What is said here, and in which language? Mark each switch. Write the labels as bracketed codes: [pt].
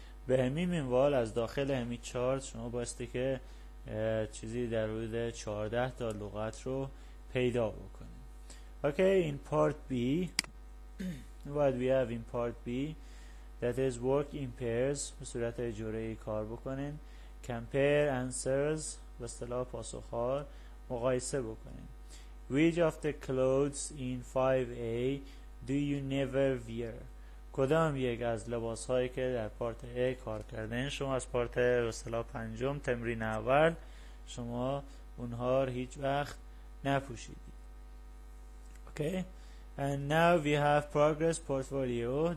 [fa] به همین منوال از داخل همین چارت شما بایستی که چیزی در حدود 14 تا لغت رو پیدا بکنیم. [en] Okay, in part B, what we have in part B, that is work in pairs, [fa] به صورت جوره کار بکنیم. [en] Compare answers, [fa] به اصطلاح پاسخ ها مقایسه بکنیم. [en] Which of the clothes in 5A do you never wear? [fa] کدام یک از لباس هایی که در پارت A کار کردین شما از پارت رسلا پنجم تمرین اول شما اونها رو هیچ وقت نپوشیدید. [en] Okay. And now we have progress portfolio.